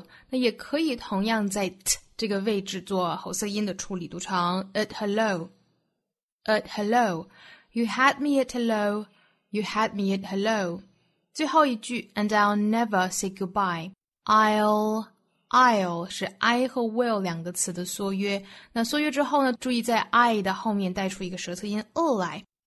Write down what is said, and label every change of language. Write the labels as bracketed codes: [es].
[zh] 那也可以同样在 t 这个位置做喉塞音的处理，读成 [en] at hello。 You had me at hello。 [zh] 最后一句 [en] and I'll never say goodbye。 [zh] I'll 是 I 和 will 两个词的缩约，那缩约之后呢注意在 I 的后面带出一个舌侧音 l 来。